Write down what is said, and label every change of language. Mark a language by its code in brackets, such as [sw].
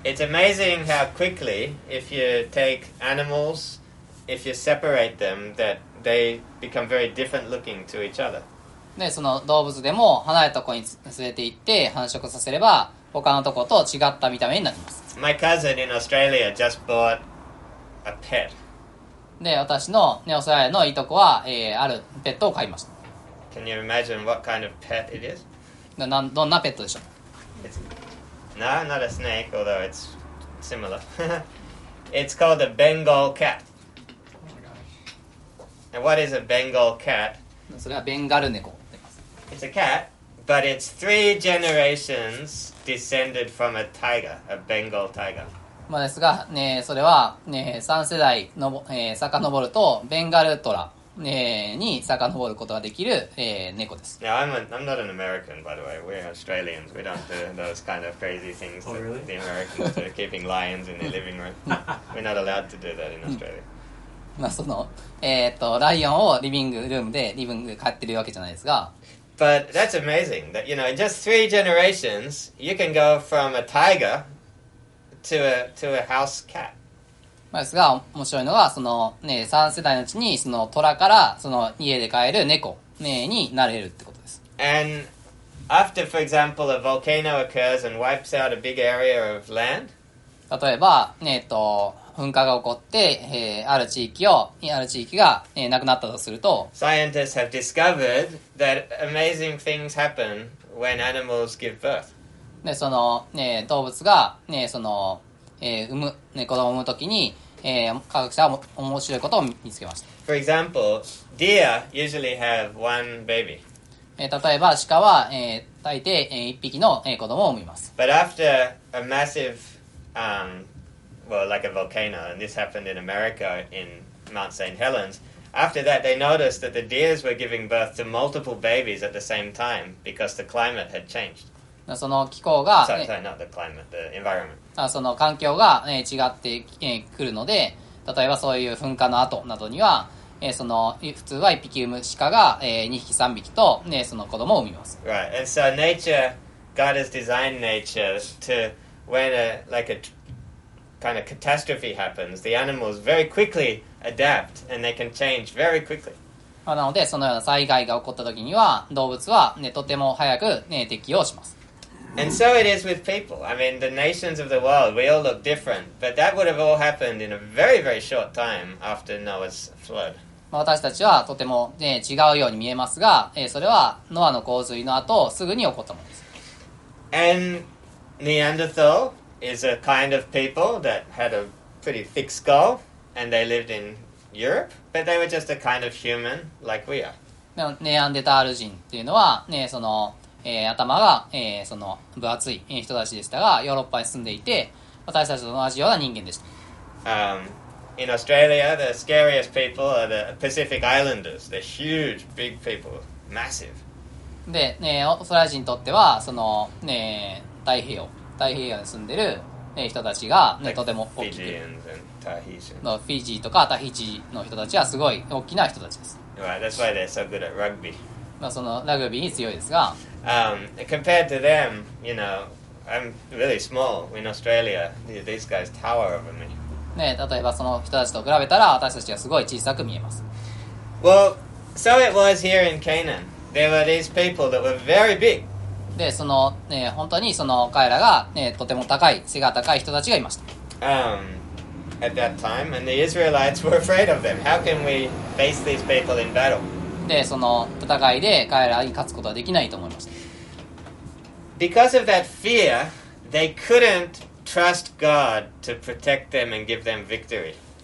[en] It's amazing how quickly, if you take animals, if you separate them, thatThey become very different looking to each other. [ja] で、その動物でも離れたところに連れて行って繁殖させれば、他のところと違った見た目になります。 [en] My cousin in Australia just bought a pet. [ja] で、私のオーストラリアのいとこは、あるペットを買いました。 [en] Can you imagine what kind of pet it is? [ja] どんなペットでしょう? [en] Not a snake, although it's similar. It's called a Bengal cat. And what is a Bengal cat? [ja] それはベンガル猫。 [en] It's a cat But it's three generations descended from a tiger, a Bengal tiger. [ja] まあですが、ね、それは、ね、3世代のぼ、遡るとベンガルトラ、ね、に遡ることができる、猫です。 [en] Now, I'm not an American, by the way. We're Australians. We don't do those kind of crazy things that、 oh, really? the Americans do, keeping lions in their living room. We're not allowed to do that in Australia. [ja] まあその、ライオンをリビングルームで、リビングで飼ってるわけじゃないですが、 [en] But that's amazing that, you know, in just three generations, you can go from a tiger to a house cat. [ja] まあですが、面白いのは、そのね、3世代のうちに、その虎から、その家で飼える猫、ね、になれるってことです。 [en] And after, for example, a volcano occurs and wipes out a big area of land? [ja] 例えば、噴火が起こって、ある地域を、ある地域が、なくなったとすると、 [en] Scientists have discovered that amazing things happen when animals give birth. [ja] で、その、動物が、その、産む、子供を産むときに、科学者は面白いことを見つけました。 [en] For example, deer usually have one baby. [ja] 例えば、鹿は、大抵、一匹の、子供を産みます。 [en] But after a massive, well, like a volcano, and this happened in America in Mount St. Helens. After that, they noticed that the deers were giving birth to multiple babies at the same time because the climate had changed. [ja] その気候が、 [en] sorry, not the climate, the environment. [ja] その環境が、違ってくるので、例えばそういう噴火の後などには、その普通は一匹産む鹿が、2匹、3匹と、その子供を産みます。 [en] Right, and so nature, God has designed nature to, when a, like a,kind of catastrophe happens, the animals very quickly adapt and they can change very quickly. [ja] なので、そのような災害が起こった時には、動物は、とても早く、適応します。 [en] And so it is with people. I mean, the nations of the world, we all look different, but that would have all happened in a very, very short time after Noah's flood. [ja] 私たちはとても、違うように見えますが、それはノアの洪水の後、すぐに起こったものです。 [en] And Neanderthal? Is a kind of people that had a pretty thick skull and they lived in Europe, but they were just a kind of human like we are. [ja] ネアンデタール人っていうのは、ね、その、頭が、その分厚い人たちでしたが、ヨーロッパに住んでいて、私たちと同じような人間でした。 [en] In Australia, the scariest people are the Pacific Islanders. They're huge, big people, massive. [ja] で、ね、オーストラリア人にとっては、その、ね、太平洋。太平洋に住んでる、人たちが、とても大きい。フィジーとかタヒチの人たちはすごい大きな人たちです。 [en] Right, that's why they're so good at rugby. [ja] まあそのラグビーに強いですが。 [en] Compared to them, you know, I'm really small in Australia. These guys tower over me. [ja] ね、例えばその人たちと比べたら私たちはすごい小さく見えます。 [en] Well, so it was here in Canaan. There were these people that were very big. [ja] でその、本当にその彼らが、とても高い背が高い人たちがいました。 [en] At that time, and the Israelites were afraid of them. How can we face these people in battle? [ja] でその戦いで彼らに勝つことはできないと思いました。 [en] Because of that fear, they couldn't trust God to protect them and give them victory.